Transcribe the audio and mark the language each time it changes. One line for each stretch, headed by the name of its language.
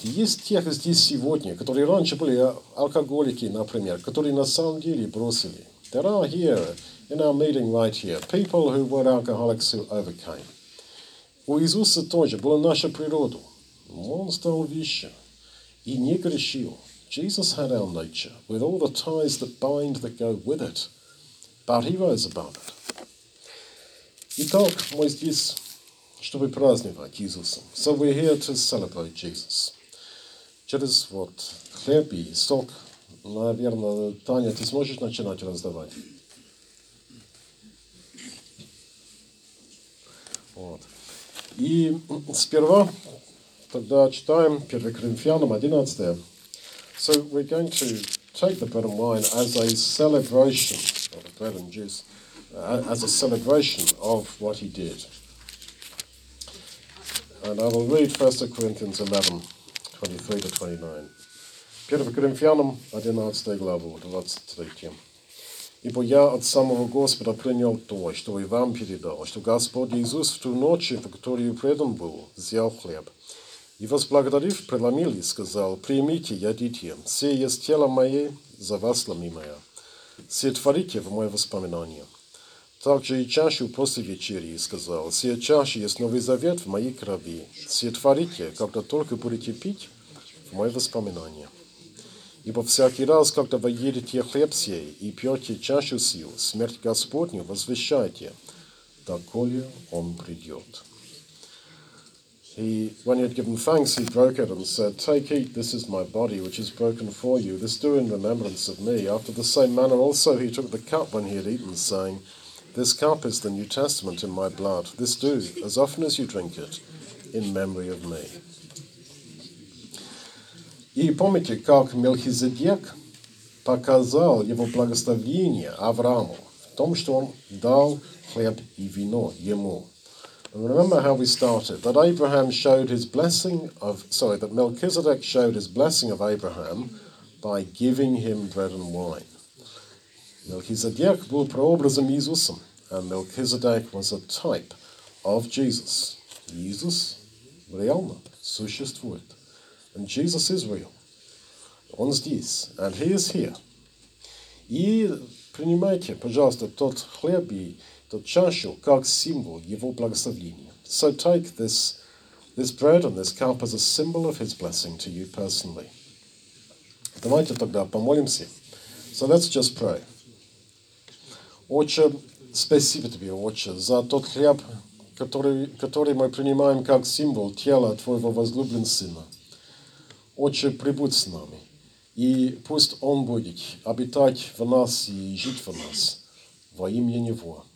Russian: Есть те, кто здесь сегодня, которые раньше были алкоголики, например, которые на самом деле бросили.
English: There are here, in our meeting right here, people who were alcoholics who overcame.
Russian: У Иисуса тоже была наша природа. Он стал вещью и не грешил.
English: Jesus had our nature, with all the ties that bind that go with it. But he rose above it.
Russian: Итак, мы здесь, чтобы праздновать Иисуса.
English: So we're here to celebrate Jesus.
Russian: Через вот хлеб и сок, наверное, Таня, ты сможешь начинать раздавать? Вот. И сперва, тогда читаем 1 Коринфянам 11.
English: So we're going to take the bread and wine as a celebration, or the bread and juice, as a celebration of what he did. And I will read 1 Corinthians 11, 23-29.
Russian: 1 Коринфянам 11 главу, 23. Ибо я от самого Господа принял то, что и вам передал, что Господь Иисус в ту ночь, в которую предан был, взял хлеб. И возблагодарив, преломил и сказал, «Примите, ядите, все есть тело мое за вас ломимое, все творите в мое воспоминание». Также и чашу после вечери сказал, «Все чаши есть новый завет в моей крови, все творите, когда только будете пить в мое воспоминание». Ибо всякий раз, когда вы едете хлеб сей и пьете чашу сию, смерть Господню возвещайте, доколе он придет».
English: He, when he had given thanks, he broke it and said, Take, eat, this is my body, which is broken for you. This do in remembrance of me. After the same manner also he took the cup when he had eaten, saying, This cup is the New Testament in my blood. This do, as often as you drink it, in memory of me.
Russian: И помните, как Мелхизедек показал его благословение Аврааму в том, что он дал хлеб и вино ему.
English: Remember how we started, that Abraham showed his blessing of, sorry, that Melchizedek showed his blessing of Abraham by giving him bread and wine. Melchizedek
Russian: был прообразом Иисусом,
English: and Melchizedek was a type of Jesus.
Russian: Иисус реально существует,
English: and Jesus is real.
Russian: Он здесь,
English: and he is here.
Russian: И принимайте, пожалуйста, тот хлеб и то чашу, как символ его благословения.
English: So take this bread and this cup as a symbol of his blessing to you personally.
Russian: Давайте тогда помолимся.
English: So let's just pray.
Russian: Отче, спасибо тебе, Отче, за тот хлеб, который мы принимаем как символ тела твоего возлюбленного сына. Отче, прибудь с нами, и пусть он будет обитать в нас и жить в нас во имя него.